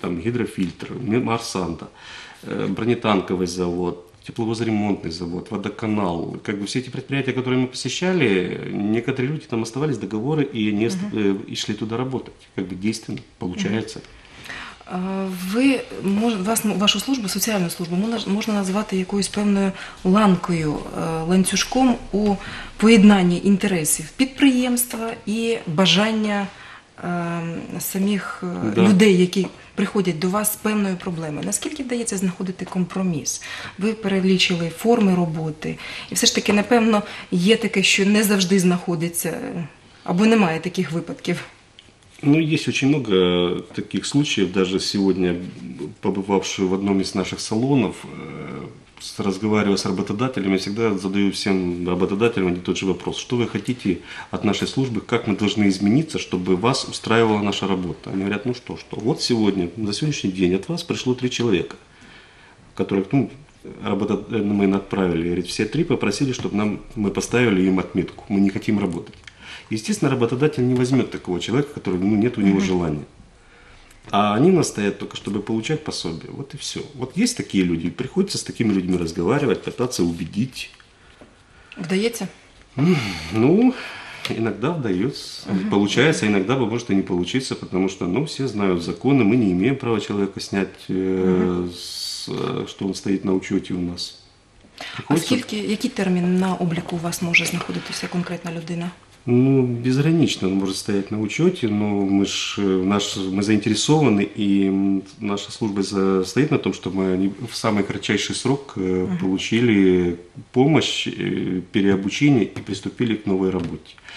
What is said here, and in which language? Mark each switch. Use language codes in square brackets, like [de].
[ru] Там гидрофильтр, Марсанта, бронетанковый завод, тепловозоремонтный завод, водоканал. Как бы все эти предприятия, которые мы посещали, некоторые люди там оставались, договоры, и они и шли туда работать. Как бы действенно получается. [uk] Вашу службу, соціальну службу, можна назвати якоюсь певною ланкою, ланцюжком у поєднанні інтересів підприємства і бажання самих людей, які приходять до вас з певною проблемою. Наскільки вдається знаходити компроміс? Ви перелічили форми роботи, і все ж таки, напевно, є таке, що не завжди знаходиться, або немає таких випадків. [ru] Ну, есть очень много таких случаев, даже сегодня, побывавшую в одном из наших салонов, разговаривая с работодателем, я всегда задаю всем работодателям один и тот же вопрос. Что вы хотите от нашей службы, как мы должны измениться, чтобы вас устраивала наша работа? Они говорят, ну что, вот сегодня, за сегодняшний день от вас пришло 3 человека, которых, ну, работодателям мы отправили. Говорит, все 3 попросили, чтобы мы поставили им отметку, мы не хотим работать. Естественно, работодатель не возьмет такого человека, который, ну, нет у него желания. А они настоят только, чтобы получать пособие. Вот и все. Вот есть такие люди, приходится с такими людьми разговаривать, пытаться убедить. Вдаете? Ну, иногда вдается. Получается, иногда может и не получиться, потому что, ну, все знают законы, мы не имеем права человека снять, что он стоит на учете у нас. Приходится... [uk] А скільки, який термін на обліку у вас може знаходитися конкретна людина? [ru] Ну, безгранично, он может стоять на учете, но мы заинтересованы, и наша служба стоит на том, чтобы они в самый кратчайший срок получили помощь, переобучение и приступили к новой работе.